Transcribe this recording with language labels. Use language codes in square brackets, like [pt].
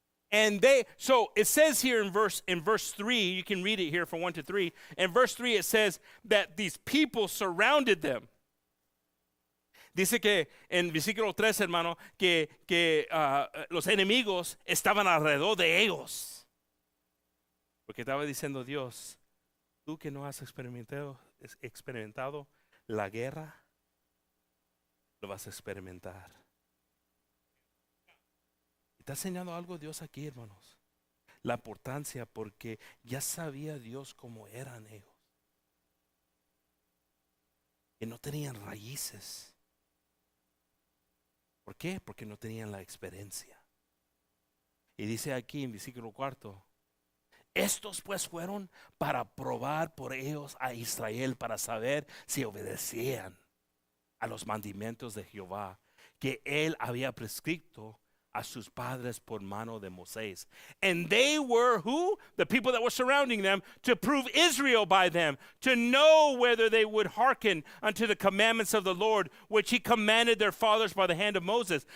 [en] And they, so it says here in verse 3, you can read it here from 1 to 3. In verse 3 it says that these people surrounded them. [es] Dice que en versículo 3, hermano, que los enemigos estaban alrededor de ellos. Porque estaba diciendo Dios, tú que no has experimentado la guerra, lo vas a experimentar. Está enseñando algo Dios aquí, hermanos. La importancia, porque ya sabía Dios cómo eran ellos. Que no tenían raíces. ¿Por qué? Porque no tenían la experiencia. Y dice aquí en versículo 4, estos pues fueron para probar por ellos a Israel para saber si obedecían a los mandamientos de Jehová que él había prescrito a sus padres por mano de Moisés. [en] And they were who? The people that were surrounding them to prove Israel by them, to know whether they would hearken unto the commandments of the Lord, which he commanded their fathers by the hand of Moses.